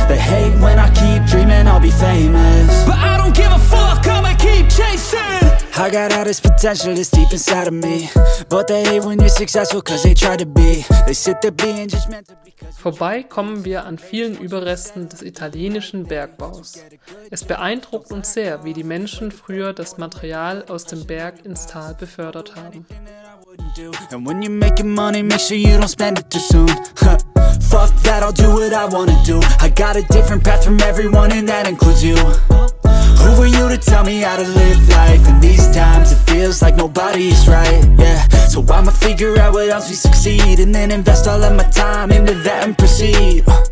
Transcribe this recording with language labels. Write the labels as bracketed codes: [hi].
[en] They hate when I keep dreaming I'll be famous, but I don't give a fuck, I'ma keep chasing. I got all this potential that's deep inside of me, but they hate when you're successful cause they try to be. They sit there being judgmental because... [de] Vorbei kommen wir an vielen Überresten des italienischen Bergbaus. Es beeindruckt uns sehr, wie die Menschen früher das Material aus dem Berg ins Tal befördert haben. [en] And when you're making money, make sure you don't spend it too soon. Fuck that, I'll do what I wanna do. I got a different path from everyone and that includes you. Who are you to tell me how to live life? In these times it feels like nobody's right, yeah. So I'ma figure out what else we succeed, and then invest all of my time into that and proceed.